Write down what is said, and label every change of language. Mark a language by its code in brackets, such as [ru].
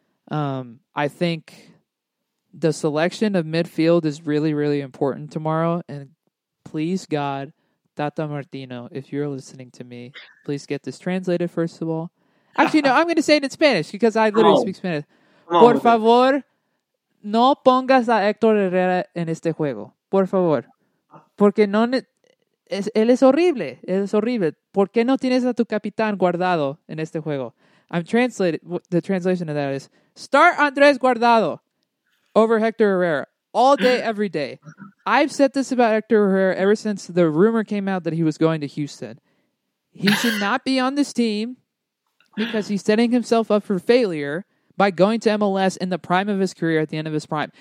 [en] I think the selection of midfield is really, really important tomorrow. And please God, Tata Martino, if you're listening to me, please get this translated, first of all. Actually, no, I'm going to say it in Spanish because I literally speak Spanish. [es] Por favor, no pongas a Héctor Herrera en este juego. Por favor. Porque no... él es horrible. Él es horrible. ¿Por qué no tienes a tu capitán Guardado en este juego? [en] The translation of that is, start Andrés Guardado over Héctor Herrera all day, every day. I've said this about Héctor Herrera ever since the rumor came out that he was going to Houston. He should not be on this team because he's setting himself up for failure by going to MLS in the prime of his career, at the end of his prime.